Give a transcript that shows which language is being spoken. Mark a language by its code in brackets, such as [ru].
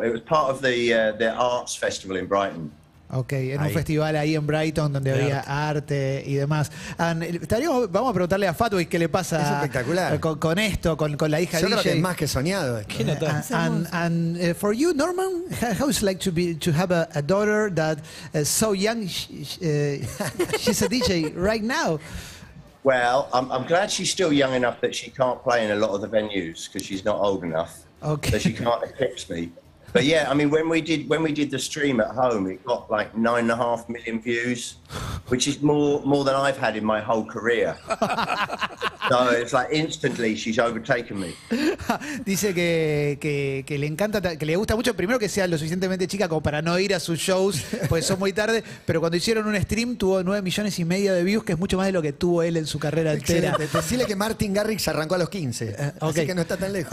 [en] It was part of the arts festival in Brighton. [es] Okay, en ahí. Un festival ahí en Brighton donde había arte y demás. Vamos a preguntarle a Fatboy qué le pasa. Es espectacular. Con esto, con la hija de DJ. Yo creo que es más que soñado. ¿Qué notas? [en] And for you, Norman, how is it like to have a daughter that so young? She's a DJ right now. Well, I'm glad she's still young enough that she can't play in a lot of the venues because she's not old enough. Okay. So she can't eclipse me. But yeah, I mean, when we did the stream at home, it got like 9.5 million views, which is more than I've had in my whole career. So it's like instantly she's overtaken me. [es] Dice que le encanta, que le gusta mucho, primero que sea lo suficientemente chica como para no ir a sus shows, porque son muy tarde, pero cuando hicieron un stream tuvo 9.5 millones de views, que es mucho más de lo que tuvo él en su carrera entera. Decile que Martin Garrix arrancó a los 15, okay. Así que no está tan lejos.